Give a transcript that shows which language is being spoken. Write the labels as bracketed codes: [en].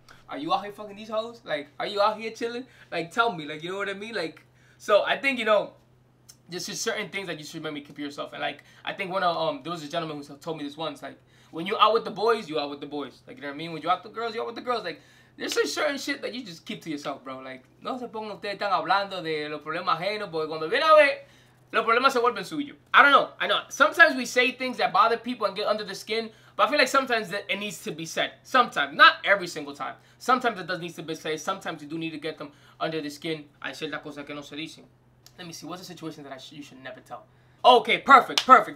[en] Are you out here fucking these hoes? Like, are you out here chilling? Like, tell me, like, you know what I mean? Like, so I think, you know, there's just certain things that you should remember to keep yourself. And like, I think when there was a gentleman who told me this once, like, when you out with the boys, you out with the boys. Like, you know what I mean? When you out with the girls, you out with the girls. Like, there's a certain shit that you just keep to yourself, bro. [es] Like, no se pongan ustedes están hablando de los problemas ajenos, porque cuando viene a ver, los problemas se vuelven suyos. [en] I don't know. I know. Sometimes we say things that bother people and get under the skin, but I feel like sometimes that it needs to be said. Sometimes. Not every single time. Sometimes it does need to be said. Sometimes you do need to get them under the skin. [es] Hay ciertas cosas que no se dicen. [en] Let me see. What's a situation that you should never tell? Okay, perfect.